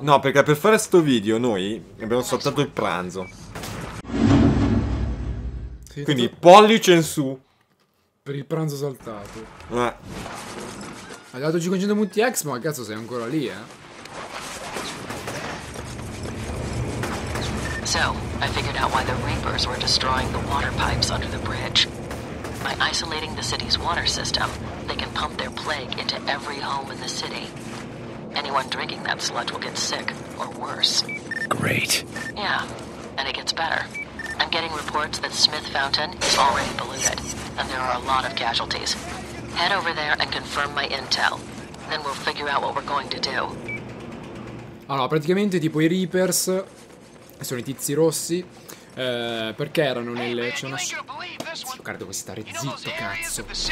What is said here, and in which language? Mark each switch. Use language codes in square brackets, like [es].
[it] No, perché per fare sto video noi abbiamo saltato il pranzo. Sì, quindi pollice in su. Per il pranzo saltato. Hai dato 500 multi ex, ma cazzo sei ancora lì, eh? [en] So, I figured out why the Reapers were destroying the water pipes under the bridge. By isolating the city's water system, they can pump their plague into every home in the city. Anyone drinking that sludge will get sick, or worse. Great. Yeah, and it gets better. I'm getting reports that Smith Fountain is already polluted, and there are a lot of casualties. Head over there and confirm my intel. Then we'll figure out what we're going to do. [it] Allora, praticamente tipo i Reapers sono i tizi rossi. Perché erano nelle... [en] Hey, man, [it] c'è una... Guarda, dove stare zitto, cazzo.